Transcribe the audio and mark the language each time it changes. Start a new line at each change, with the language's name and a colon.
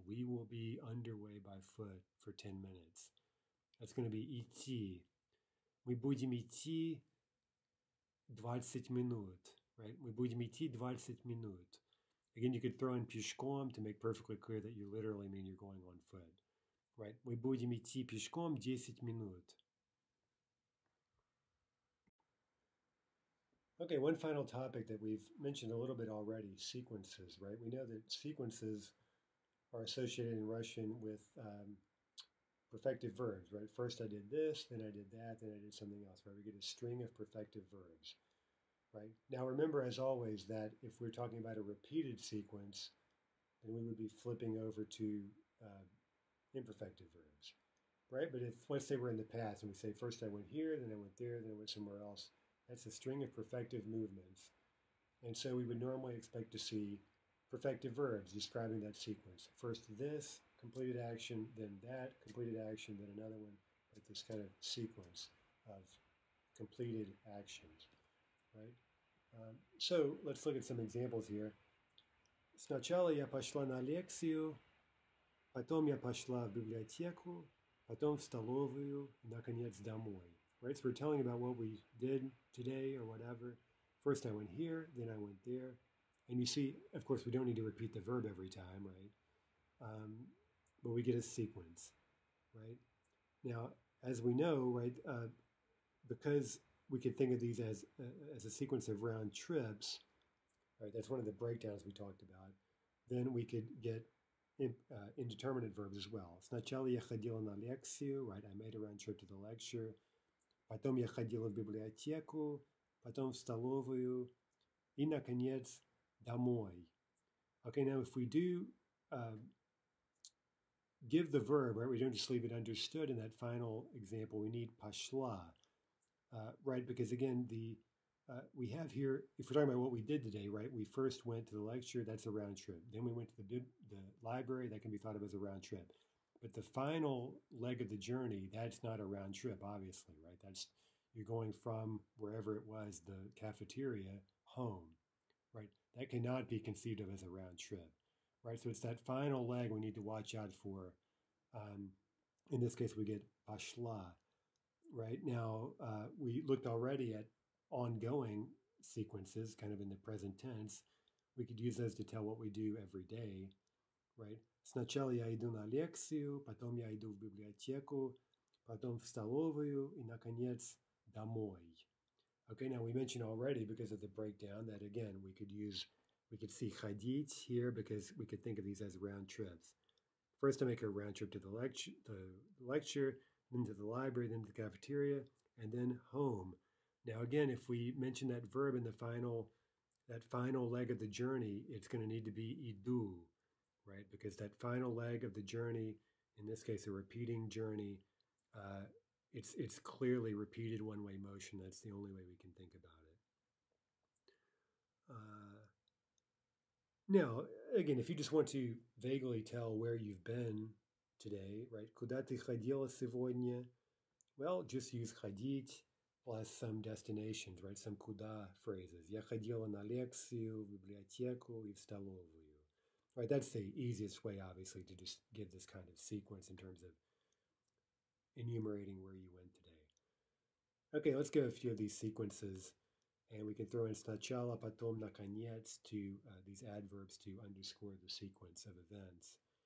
English: We will be underway by foot for 10 minutes. That's going to be идти.
Russian: Мы будем идти 20 минут, right? Мы будем идти 20 минут.
English: Again, you could throw in пешком to make perfectly clear that you literally mean you're going on foot, right?
Russian: Мы будем идти пешком 10 минут.
English: Okay, one final topic that we've mentioned a little bit already, sequences, right? We know that sequences are associated in Russian with perfective verbs, right? First I did this, then I did that, then I did something else, right? We get a string of perfective verbs, right? Now remember, as always, that if we're talking about a repeated sequence, then we would be flipping over to imperfective verbs, right? But if, let's say we're in the past and we say, first I went here, then I went there, then I went somewhere else, that's a string of perfective movements. And so we would normally expect to see perfective verbs describing that sequence. First this, completed action, then that, completed action, then another one, like this kind of sequence of completed actions, right? So let's look at some examples here.
Russian: Сначала я пошла на лекцию, потом я пошла в библиотеку, потом в столовую, наконец домой.
English: Right, so we're telling about what we did today or whatever. First I went here, then I went there. And you see, of course, we don't need to repeat the verb every time, right? But we get a sequence, right? Now, as we know, right, because we could think of these as a sequence of round trips, right, that's one of the breakdowns we talked about, then we could get indeterminate verbs as well.
Russian: Сначала я ходила на лекцию, right?
English: I made a round trip to the lecture.
Russian: Потом я ходила в библиотеку, потом в столовую, и, наконец, домой.
English: Okay, now if we do give the verb, right, we don't just leave it understood in that final example, we need пошла, right? Because again, we have here, if we're talking about what we did today, right, we first went to the lecture, that's a round trip. Then we went to the library, that can be thought of as a round trip. But the final leg of the journey, that's not a round trip, obviously, right? That's, you're going from wherever it was, the cafeteria, home, right? That cannot be conceived of as a round trip, right? So it's that final leg we need to watch out for. In this case, we get пошла, right? Now, we looked already at ongoing sequences, kind of in the present tense. We could use those to tell what we do every day, right?
Russian: Сначала я иду на лекцию, потом я иду в библиотеку, потом в столовую, и, наконец, домой.
English: Okay, now we mentioned already, because of the breakdown, that again, we could see ходить here, because we could think of these as round trips. First, I make a round trip to the lecture, then to the library, then to the cafeteria, and then home. Now again, if we mention that verb in that final leg of the journey, it's going to need to be иду. Right, because that final leg of the journey, in this case, a repeating journey, it's clearly repeated one-way motion. That's the only way we can think about it. Now, again, if you just want to vaguely tell where you've been today, right?
Russian: Куда ты ходила сегодня?
English: Well, just use ходить plus some destinations, right? Some куда phrases.
Russian: Я ходила на лекцию, в библиотеку и в столовую.
English: Right, that's the easiest way, obviously, to just give this kind of sequence in terms of enumerating where you went today. Okay, let's go a few of these sequences, and we can throw in
Russian: сначала, потом, наконец,
English: to these adverbs to underscore the sequence of events.